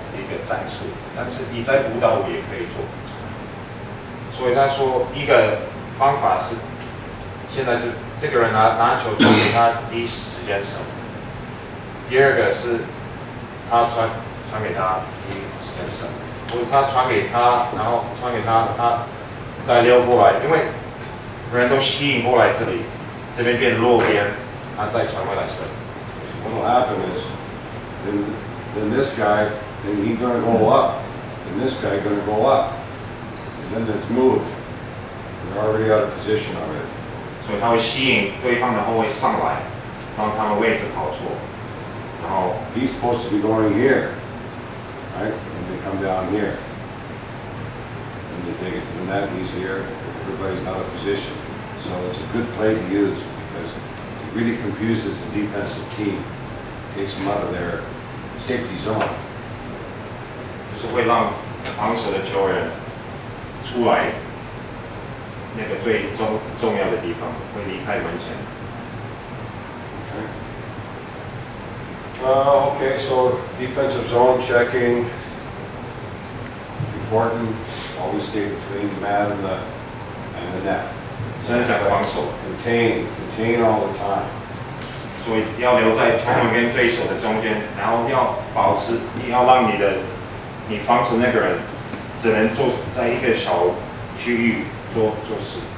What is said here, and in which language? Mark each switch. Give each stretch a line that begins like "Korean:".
Chinese: 一个战术，但是你在舞蹈也可以做。所以他说一个方法是，现在是这个人拿球就给他第一时间守，第二个是他传给他第一时间守，或者他传给他，然后传给他，他再溜过来，因为人都吸引过来这里，这边变弱边，他再传回来守。
English: What will happen is, then this guy. Then he's going to go up, and this guy's going to go up. And then it's moved. They're already out of position already. So he will
Chinese: 吸引对方的后卫上来，让他们位置跑错。然后
English: he's supposed to be going here, right? And they come down here. And they take it to the net, he's here, everybody's out of position. So it's a good play to use because it really confuses the defensive team, takes them out of their safety zone.
Chinese: 就是会让防守的球员出来那个最重要的地方，会离开门线。
English: Okay, so defensive zone checking important. Always stay between the man and the net.
Chinese: 现在讲防守
English: contain all the time.
Chinese: 所以要留在球门跟对手的中间，然后要保持，你要让你的。你防止那个人只能做在一个小区域做事。